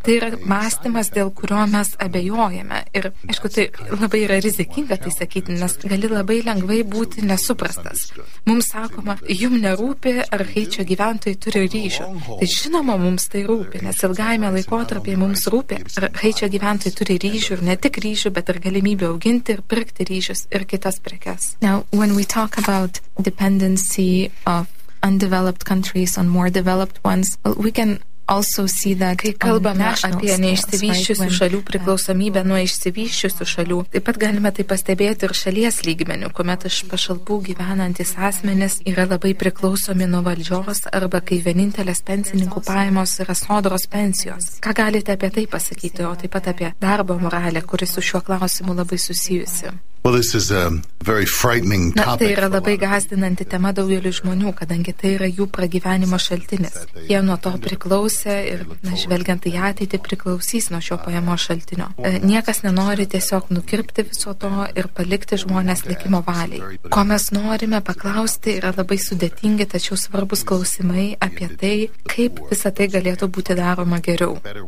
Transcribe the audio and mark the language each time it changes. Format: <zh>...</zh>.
<lt>Tai yra mąstymas, dėl kurio mes abejojame. Ir, aišku, tai labai yra rizikinga tai sakyti, nes gali labai lengvai būti nesuprastas. Mums sakoma, jum nerūpi, ar Haičio gyventojai turi ryžių. Tai žinoma, mums tai rūpi, nes ilgaime laikotarpiai mums rūpi, ar Haičio gyventojai turi ryžių ir ne tik ryžių, bet ir galimybę auginti ir pirkti ryžius ir kitas prekes.</lt> <en>Now, when we talk about dependency of undeveloped countries on more developed ones, well, we can also see that</en> <lt>kai kalbame apie neišsivysčiusių šalių priklausomybę nuo išsivysčiusių šalių, taip pat galime tai pastebėti ir šalies lygmeniu, kuomet iš pašalpų gyvenantis asmenis yra labai priklausomi nuo valdžios arba kai vienintelės pensininkų pajamos yra sodros pensijos. Ką galite apie tai pasakyti, o taip pat apie darbo moralę, kuri su šiuo klausimu labai susijusi?</lt> <en>Well, this is a very frightening topic.</en> <lt>Tai yra labai gąsdinanti tema daugeliui žmonių, kadangi tai yra jų pragyvenimo šaltinis. Jie nuo to priklausė ir, na, žvelgiant į ateitį, priklausys nuo šio pajamo šaltinio. Niekas nenori tiesiog nukirpti viso to ir palikti žmonės likimo valiai. Ko mes norime paklausti, yra labai sudėtingi, tačiau svarbus klausimai apie tai, kaip visa tai galėtų būti daroma geriau.</lt>